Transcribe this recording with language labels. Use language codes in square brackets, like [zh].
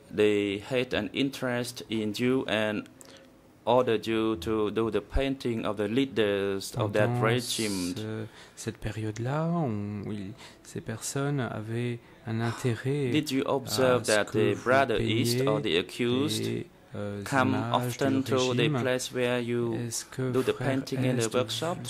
[en] They had an interest in you and ordered you to do the painting of the leaders [fr] Pendant [en] of that regime. [fr] Cette période-là, ces personnes avaient un intérêt. [en] Did you observe that the brother East or the accused come often to the place where you do the painting in the workshop?